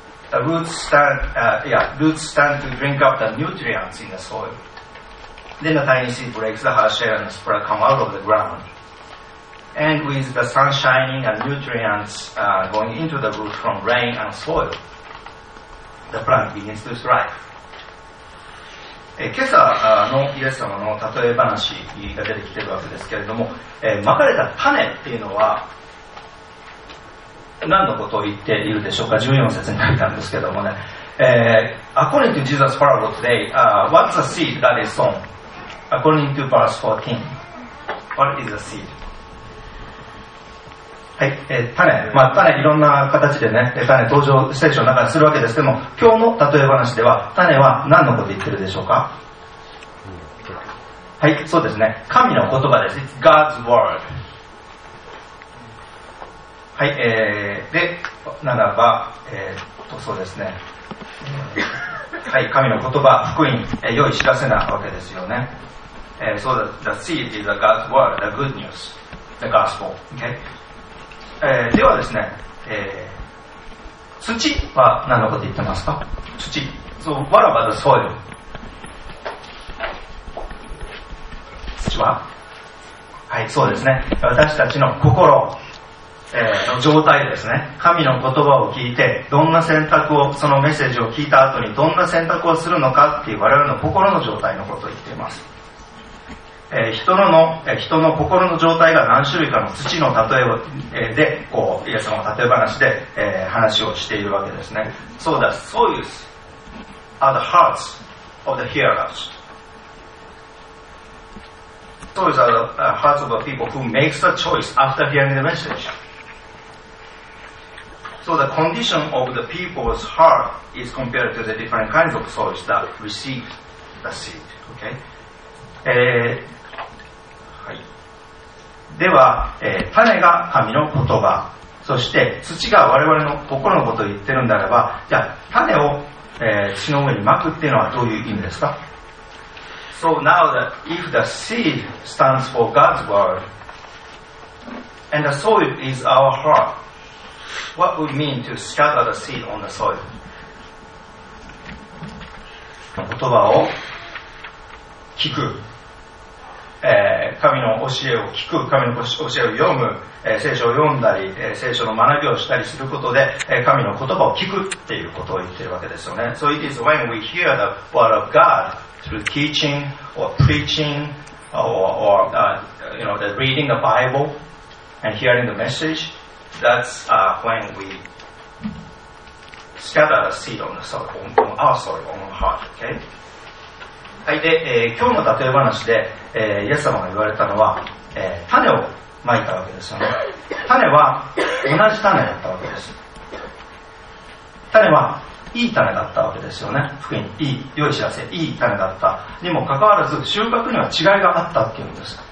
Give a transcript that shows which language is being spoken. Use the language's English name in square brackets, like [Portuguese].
[English] The roots stand, roots stand to drink up the nutrients in the soil. Then the tiny seed breaks the hard shell and the sprout come out of the ground. And with the sun shining and nutrients going into the roots from rain and soil, the plant begins to thrive. [Japanese] 今朝のイエス様の例え話が出てきているわけですけれども、まかれた種っていうのは何のことを言っているでしょうか。 14節に書いたんですけどもね、 [English] According to Jesus' parable today, what's a seed that is sown? According to verse 14, what is a seed? [Japanese] はい、種、まあ、種いろんな形でね、種登場聖書の中にするわけですけども、今日の例え話では種は何のこと言ってるでしょうか。はい、そうですね、神の言葉です。 [English] It's God's word。 [Japanese] はい、でならば、そうですね、はい、神の言葉、福音、良い知らせなわけですよね。 [English] So the seed is God's word, the good news, the gospel、okay? [Japanese] ではですね、土は何のこと言ってますか。土、そう、わらばの soil、土は、はい、そうですね、私たちの心、の状態ですね。神の言葉を聞いて、どんな選択を、そのメッセージを聞いた後にどんな選択をするのかっていう我々の心の状態のことを言っています。人の心の状態が何種類かの土の例えで、こうイエス様の例え話で、話をしているわけですね。 [English] So the soils are the hearts of the hearers. Soils are the hearts of the people who makes the choice after hearing the message. So the condition of the people's heart is compared to the different kinds of soils that receive the seed. Okay? [Japanese] では、種が神の言葉、そして土が我々の心のことを言ってるんだれば、じゃあ種を、土の上に撒くっていうのはどういう意味ですか。 [English] So now that if the seed stands for God's word and the soil is our heart, what would mean to scatter the seed on the soil? [Japanese] 言葉を聞く、神の教えを聞く、神の教えを読む、聖書を読んだり、聖書の学びをしたりすることで、神の言葉を聞くっていうことを言ってるわけですよね。 [English] So it is when we hear the word of God through teaching or preaching or you know, the reading the Bible and hearing the message That's when we scatter the seed on the soil, on our soil, on our heart, okay? [Japanese] はい、で、今日の例え話で、イエス様が言われたのは、種をまいたわけですよね。種は同じ種だったわけです。種はいい種だったわけですよね。福音、いい、良い知らせ、いい種だったにもかかわらず、収穫には違いがあったっていうんです。